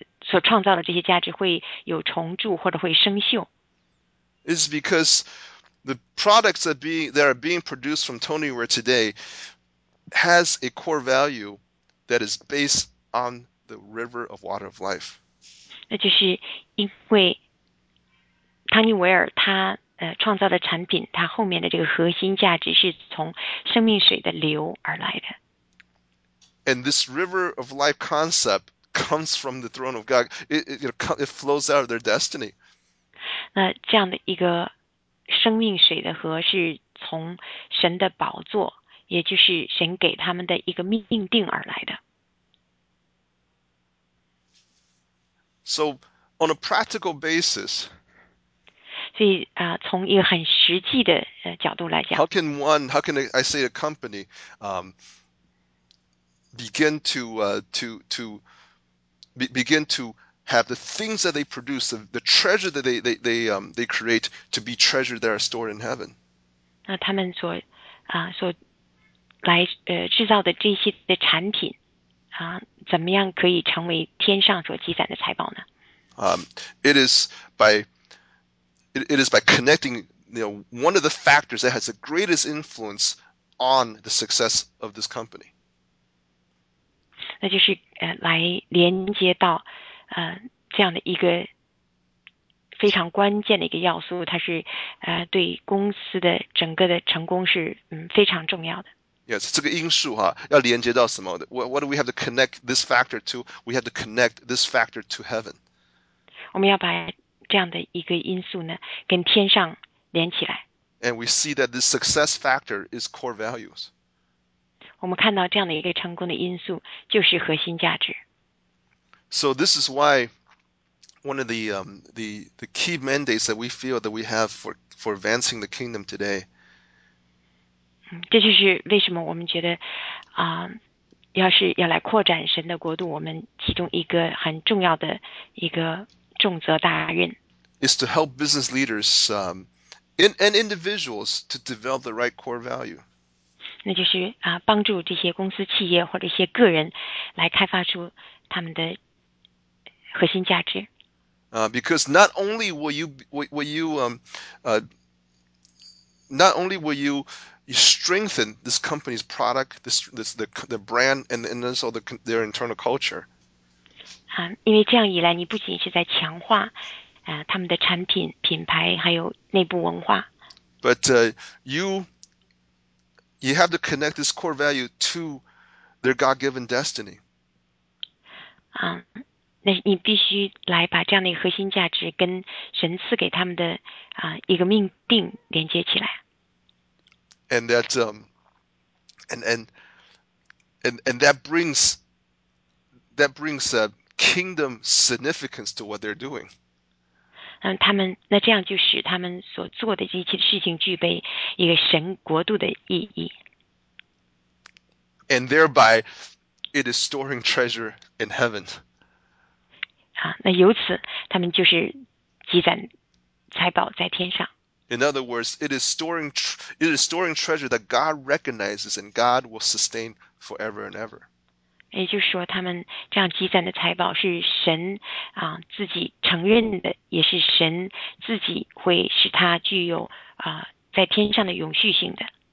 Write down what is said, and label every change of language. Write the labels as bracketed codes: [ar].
[zh] 所创造的这些价值会有重铸或者会生锈。 [en] It's because the products that are being produced from Tony Ware today has a core value that is based on the river of water of life. [zh] 那就是因为汤尼维尔他创造的产品，它后面的这个核心价值是从生命水的流而来的。 [en] And this river of life concept comes from the throne of God. It flows out of their destiny. [zh] 那这样的一个生命水的河是从神的宝座，也就是神给他们的一个命定而来的。 [en] So, on a practical basis, [zh] 所以从一个很实际的角度来讲 [en] ，How can I say a company, begin to have the things that they produce, the treasure that they create to be treasure that are stored in heaven? [zh] 那他们所所来制造的这些的产品怎么样可以成为天上所积攒的财宝呢？ [en] It is by connecting, one of the factors that has the greatest influence on the success of this company. [zh] 那就是来连接到这样的一个非常关键的一个要素，它是对公司的整个的成功是非常重要的。 [en] Yes, [zh] 这个因素哈，要连接到什么 [en] ？What do we have to connect this factor to? We have to connect this factor to heaven. [zh] 我们要把这样的一个因素呢，跟天上连起来。 [en] And we see that this success factor is core values. [zh] 我们看到这样的一个成功的因素就是核心价值。 [en] So this is why one of the key mandates that we feel that we have for advancing the kingdom today. [zh] 这就是为什么我们觉得要是要来扩展神的国度，我们其中一个很重要的一个重责大任。 [en] Is to help business leaders and individuals to develop the right core value. [zh] 那就是帮助这些公司、企业或者一些个人来开发出他们的核心价值。 [en] Because not only will you strengthen this company's product, the brand, and also their internal culture. [zh] 因为这样以来，你不仅是在强化他们的产品、品牌，还有内部文化。 [en] But you have to connect this core value to their God-given destiny. [zh] 那你必须来把这样的一个核心价值跟神赐给他们的一个命定连接起来。 [en] And that and that brings a kingdom significance to what they're doing. [zh] 他们那这样就使他们所做的这些事情具备一个神国度的意义。 [en] And thereby, it is storing treasure in heaven. [zh] 那由此他们就是积攒财宝在天上。 [en] In other words, it is storing treasure that God recognizes and God will sustain forever and ever. [zh] 也就是说，他们这样积攒的财宝是神自己承认的，也是神自己会使它具有在天上的永续性的。